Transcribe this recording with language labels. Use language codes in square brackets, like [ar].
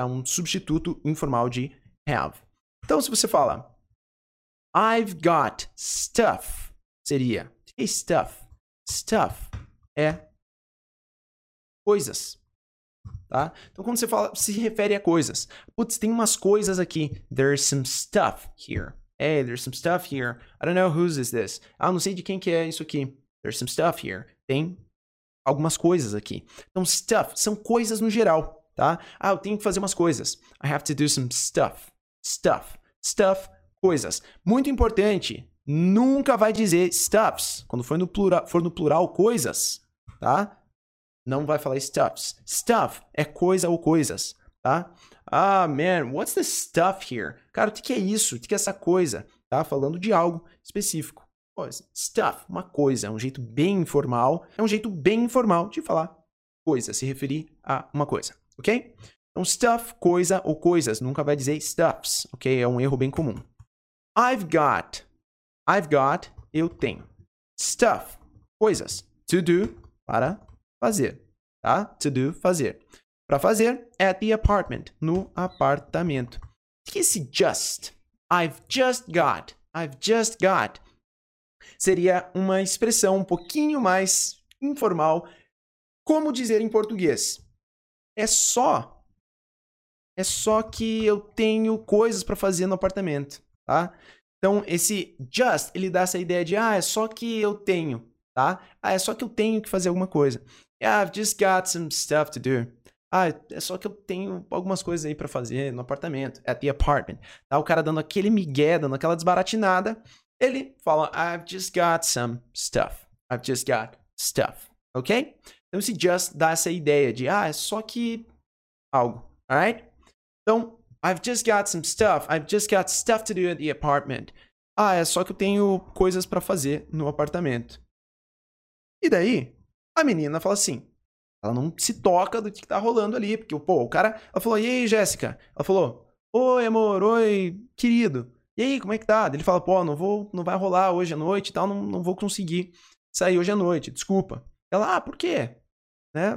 [pt] É um substituto informal de have. Então, se você fala, [en] I've got stuff, [pt] seria, [en] hey, stuff. [pt] Stuff é coisas. Tá? Então, quando você fala, se refere a coisas. Putz, tem umas coisas aqui. [en] There's some stuff here. Hey, there's some stuff here. I don't know whose is this. [pt] Ah, não sei de quem que é isso aqui. [en] There's some stuff here. [pt] Tem algumas coisas aqui. Então, stuff são coisas no geral, tá? Ah, eu tenho que fazer umas coisas. [en] I have to do some stuff. Stuff. Stuff, [pt] coisas. Muito importante, nunca vai dizer stuffs. Quando for no plural, coisas, tá? Não vai falar stuffs. Stuff é coisa ou coisas, tá? [en] Ah, man, what's this stuff here? [pt] Cara, o que é isso? O que é essa coisa? Tá falando de algo específico. Stuff, uma coisa, é um jeito bem informal. É um jeito bem informal de falar coisa, se referir a uma coisa, ok? Então, stuff, coisa ou coisas. Nunca vai dizer stuffs, ok? É um erro bem comum. [en] I've got, [pt] eu tenho. Stuff, coisas. [en] To do, [pt] para fazer, tá? To do, fazer. Para fazer, [en] at the apartment, [pt] no apartamento. O que é esse just? [en] I've just got. [pt] Seria uma expressão um pouquinho mais informal. Como dizer em português? É só que eu tenho coisas para fazer no apartamento, tá? Então, esse just, ele dá essa ideia de, ah, é só que eu tenho, tá? Ah, é só que eu tenho que fazer alguma coisa. [en] Yeah, I've just got some stuff to do. [pt] Ah, é só que eu tenho algumas coisas aí pra fazer no apartamento. [en] At the apartment. [pt] Tá, o cara dando aquele migué, dando aquela desbaratinada. Ele fala, [en] I've just got some stuff. I've just got stuff. Ok? [pt] Então, esse just dá essa ideia de, ah, é só que algo. [en] Alright? Então, I've just got some stuff. I've just got stuff to do at the apartment. [pt] Ah, é só que eu tenho coisas pra fazer no apartamento. E daí, a menina fala assim. Ela não se toca do que tá rolando ali. Porque, pô, o cara... Ela falou, e aí, Jéssica? Ela falou, oi, amor, oi, querido. E aí, como é que tá? Ele fala, pô, não vai rolar hoje à noite e tal. Não vou conseguir sair hoje à noite, desculpa. Ela, ah, por quê? Né?